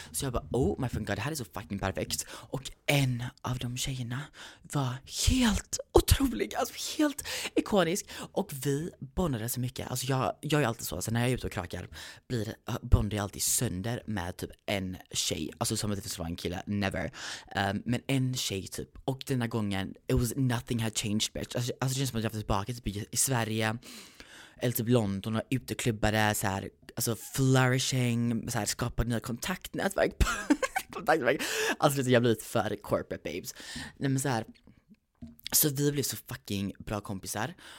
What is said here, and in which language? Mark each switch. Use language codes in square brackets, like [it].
[sv] Så jag bara, [en] oh my god, [sv] det här är så fucking perfekt. Och en av de tjejerna var helt otrolig, alltså helt ikonisk. Och vi bondade så mycket. Alltså jag är alltid så, alltså när jag är ute och krakar bondar jag alltid sönder med typ en tjej. Alltså som att det var en kille, never. Men en tjej typ. Och denna gången, [en] it was nothing had changed, bitch. [sv] Alltså det känns som att jag var tillbaka typ i Sverige. Eller typ London och uteklubbade så här, alltså flourishing, så här, skapade nya kontaktnätverk. Kontaktnätverk. Alltså lite, jag blev lite för [en] corporate babes. [sv] Nej, men så här, så vi blev så fucking bra kompisar.